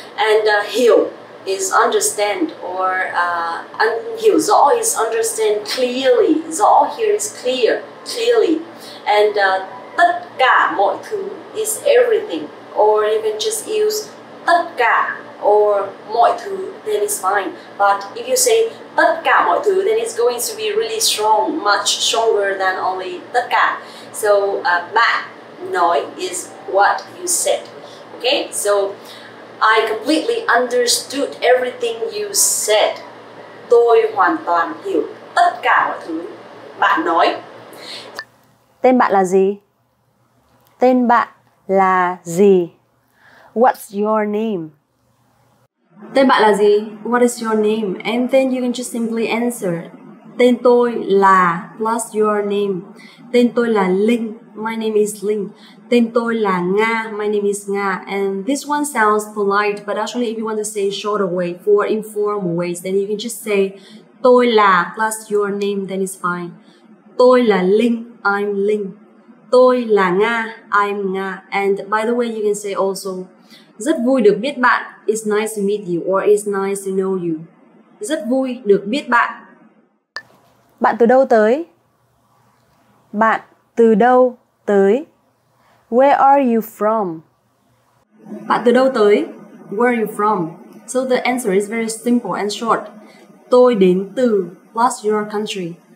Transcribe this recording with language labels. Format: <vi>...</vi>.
<en>And hiểu is understand or hiểu rõ is understand clearly. Rõ here is clear, clearly. And tất cả mọi thứ is everything. Or you can just use tất cả or mọi thứ, then it's fine. But if you say tất cả mọi thứ, then it's going to be really strong, much stronger than only tất cả. So bạn nói is what you said. Okay, so I completely understood everything you said.</en> <vi>Tôi hoàn toàn hiểu tất cả mọi thứ bạn nói. Tên bạn là gì? Tên bạn là gì?</vi> <en>What's your name?</en> <vi>Tên bạn là gì?</vi> <en>What is your name? And then you can just simply answer.</en> <vi>Tên tôi là</vi> <en>plus your name.</en> <vi>Tên tôi là Linh.</vi> <en>My name is Linh.</en> <vi>Tên tôi là Nga.</vi> <en>My name is Nga. And this one sounds polite, but actually if you want to say shorter way for informal ways, then you can just say tôi là plus your name, then it's fine.</en> <vi>Tôi là Linh.</vi> <en>I'm Linh.</en> <vi>Tôi là Nga.</vi> <en>I'm Nga. And by the way, you can say also</en> <vi>rất vui được biết bạn.</vi> <en>It's nice to meet you or it's nice to know you.</en> <vi>Rất vui được biết bạn. Bạn từ đâu tới? Bạn từ đâu tới?</vi> <en>Where are you from?</en> <vi>Bạn từ đâu tới?</vi> <en>Where are you from? So the answer is very simple and short.</en> <vi>Tôi đến từ</vi> <en>plus your country.</en>